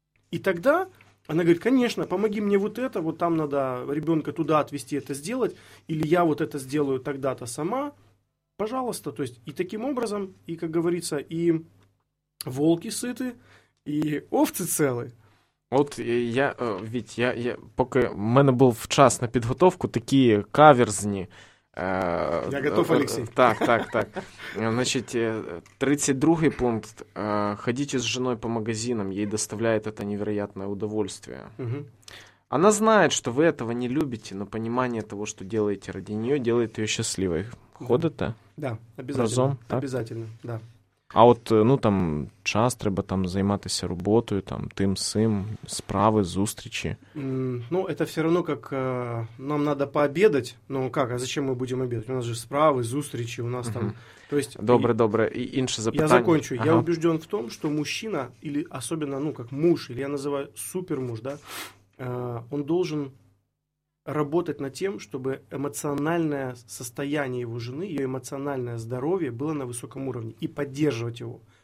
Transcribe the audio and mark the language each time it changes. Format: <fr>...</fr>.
<ru>И тогда она говорит, конечно, помоги мне вот это, вот там надо ребенка туда отвезти, это сделать, или я вот это сделаю тогда-то сама, пожалуйста. То есть и таким образом, и, как говорится, и волки сыты, и овцы целы.</ru> <uk>От я, ведь я поки в мене був час на підготовку, такі каверзні.</uk> <ru>Я готов, Алексей. Так, так, так. Значить, 32-й пункт. Ходите с женой по магазинам, ей доставляет это невероятное удовольствие. Она знает, что вы этого не любите, но понимание того, что делаете ради нее, делает ее счастливой. Ходите? Да, обязательно.</ru> <uk>Разом,</uk> <ru>так? Обязательно, да.</ru> <uk>А от, ну, там, час треба там займатися роботою, там, тим-сим, справи, зустрічі. Ну, це все одно, як нам треба пообідати. Ну, як,</uk> <ru>а зачем</ru> <uk>ми будемо обідати? У нас же справи, зустрічі, у нас там...</uk> <ru>То есть,</ru> <uk>добре, добре, і інше запитання.</uk> <ru>Я закончу. Ага. Я убежден</ru> <uk>в тому, що</uk> <ru>мужчина, или особенно, ну, як муж, или</ru> <uk>я називаю</uk> <ru>супермуж, да, он должен работать над тем, чтобы эмоциональное состояние его жены, ее эмоциональное здоровье было на высоком уровне и поддерживать его.</ru>